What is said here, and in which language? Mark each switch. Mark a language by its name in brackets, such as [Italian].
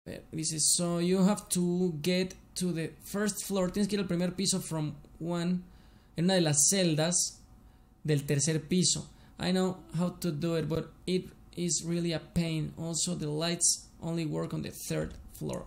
[Spanish] Dice, [English] so you have to get to the first floor. [Spanish] Tienes que ir al primer piso [English] from one. [Spanish] En una de las celdas del tercer piso. [English] I know how to do it, but it is really a pain. Also, the lights only work on the third floor.